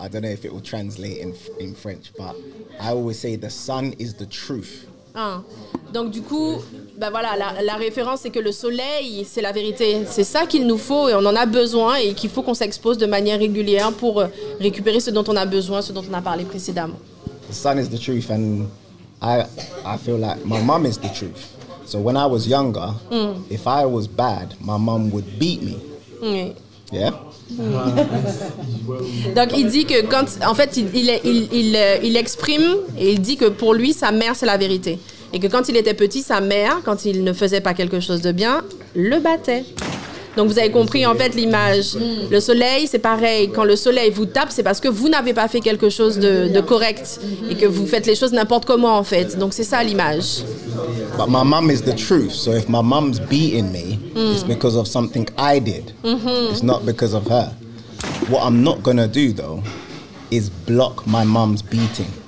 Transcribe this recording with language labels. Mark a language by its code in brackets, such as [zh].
[en] I don't know if it will translate in French, but I always say the sun is the truth. Ah. [fr] Donc du coup, voilà, la référence c'est que le soleil, c'est la vérité. C'est ça qu'il nous faut et on en a besoin et qu'il faut qu'on s'expose de manière régulière pour récupérer ce dont on a besoin, ce dont on a parlé précédemment. [en] The sun is the truth and I feel like my mom is the truth. So when I was younger, if I was bad, my mom would beat me. Yeah. [fr] Donc il dit que quand en fait il exprime et il dit que pour lui sa mère c'est la vérité et que quand il était petit sa mère quand il ne faisait pas quelque chose de bien le battait. Donc vous avez compris en fait l'image. Le soleil c'est pareil, quand le soleil vous tape c'est parce que vous n'avez pas fait quelque chose de correct et que vous faites les choses n'importe comment en fait. Donc c'est ça l'image. [en] But my mom is the truth. So if my mom's beating me, it's because of something I did. It's not because of her. What I'm not gonna do though is block my mom's beating.